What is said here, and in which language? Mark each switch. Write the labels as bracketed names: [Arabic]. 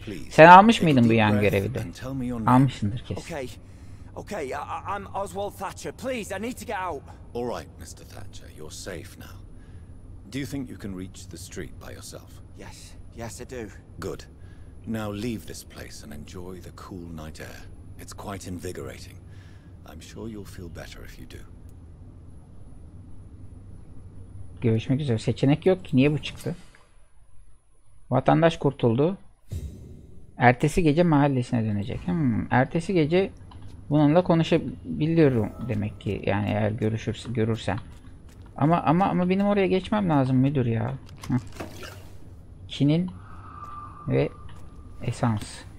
[Turkish] Sen almış mıydın bu yan görevi de? Almışsındır kesin. [English] Okay, I'm Oswald Thatcher. Please, I need to get out. All right, Mr. Thatcher, you're safe now. Do you think you can reach the street by yourself? Yes, yes, I do. Good. Now leave this place and enjoy the cool night air. It's quite invigorating. I'm sure you'll feel better if you do. [Turkish] Görüşmek üzere. Seçenek yok ki. Niye bu çıktı? Vatandaş kurtuldu. Ertesi gece mahallesine dönecek. Ertesi gece bununla konuşabiliyorum demek ki, yani eğer görürsen. Ama benim oraya geçmem lazım müdür ya. Kinin ve esans.